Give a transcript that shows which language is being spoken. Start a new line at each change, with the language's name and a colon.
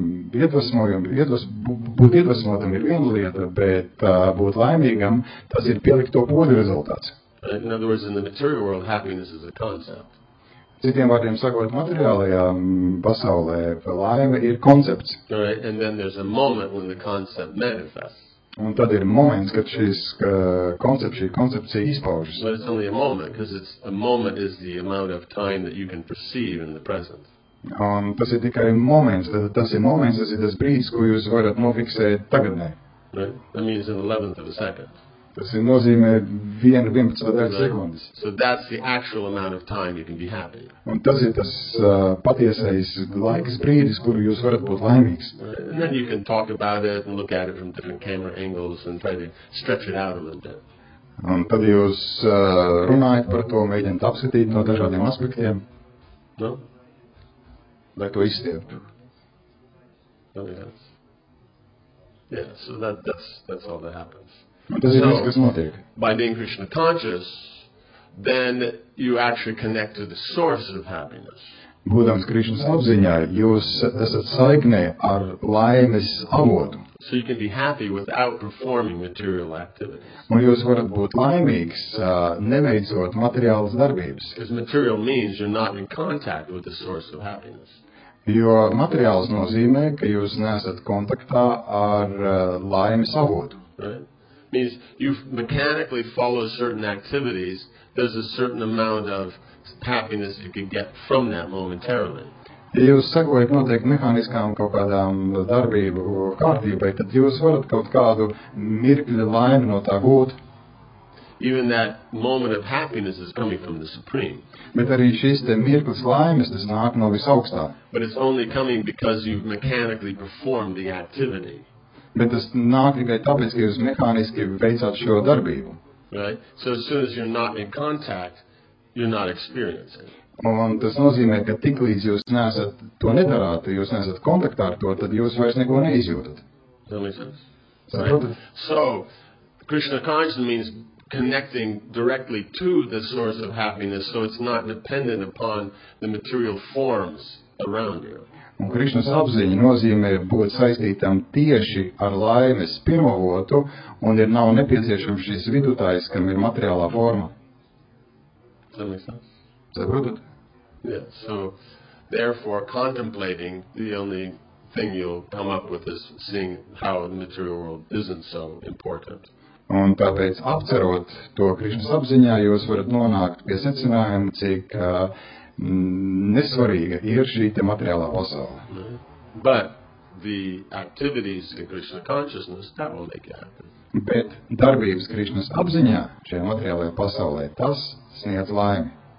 Latvian: Būt iedvesmotam ir viena lieta, bet būt laimīgam, tas ir pielikto poļu rezultāts.
English: Right. In other words, in the material world, happiness is a concept.
Latvian: Citiem vārdiem sakot, materiālajā pasaulē laime ir koncepts.
English: Right. And then there's a moment when the concept manifests.
Latvian: Un tad ir moments, kad šis koncepcija izpaužas.
English: But it's only a moment, because a moment is the amount of time that you can perceive in the present.
Latvian: Un tas ir tikai moments, tas ir tas brīdis, ko jūs varat nofiksēt tagadnē.
English: Right? That means an 11th of a second.
Latvian: Tas ir nozīmē 1/11 sekundes.
English: So that's the actual amount of time you can be happy.
Latvian: Un tas ir tas patiesais laiks brīdis, kuru jūs varat būt laimīgs.
English: And then you can talk about it and look at it from different camera angles and try to stretch it out a little bit.
Latvian: Un tad jūs runājat par to, mēģināt apskatīt no dažādiem aspektiem.
English: No?
Latvian: Lai to izstieptu.
English: Yeah, so that's all that happens.
Latvian: Tas ir viss, kas notiek.
English: By being Krishna conscious, then you actually connect to the source of happiness.
Latvian: Būdams Krišnas apziņā, jūs esat saiknē ar laimes avotu.
English: So you can be happy without performing material activities.
Latvian: Un jūs varat būt laimīgs, neveicot materiālas darbības.
English: Because material means you're not in contact with the source of happiness. Jo materiāls nozīmē, ka jūs neesat kontaktā ar laimes avotu. Right? Means you mechanically follow certain activities, there's a certain amount of happiness you can get from that momentarily.
Latvian: Jūs sakojat noteikti mehāniskām kaut kādām darbību kārtībai, tad jūs varat kaut kādu mirkļu laimi no tā gūt.
English: Even that moment of happiness is coming from the Supreme.
Latvian: Bet arī šis te mirklis laimes, tas nāk no visaugstā.
English: But it's only coming because you've mechanically performed the activity.
Latvian: Bet tas nāk tikai tāpēc, ka jūs mehāniski veicāt šo darbību.
English: Right? So as soon as you're not in contact, you're not experiencing.
Latvian: Un tas nozīmē, ka tiklīdz jūs nesat to nedarāt, jūs nesat kontaktā ar to, tad jūs vairs neko neizjūtat.
English: So, Krishna consciousness means connecting directly to the source of happiness, so it's not dependent upon the material forms around you.
Latvian: Un Krishnas apziņa nozīmē būt saistītam tieši ar laimes pirmavotu, un ir nav nepieciešams šis vidutājs, kam ir materiālā forma. Saprotat?
English: Yeah, so therefore contemplating the only thing you'll come up with is seeing how the material world isn't so important.
Latvian: Un tāpēc apcerot to Krishnas apziņā, jūs varat nonākt pie secinājuma, cik nesvarīga ir šī te materiālā pasaule.
English: But the activities in Krishna consciousness, that will make it happen.
Latvian: Bet darbības Krishnas apziņā šajā materiālajā pasaulē, tas sniedz laimi.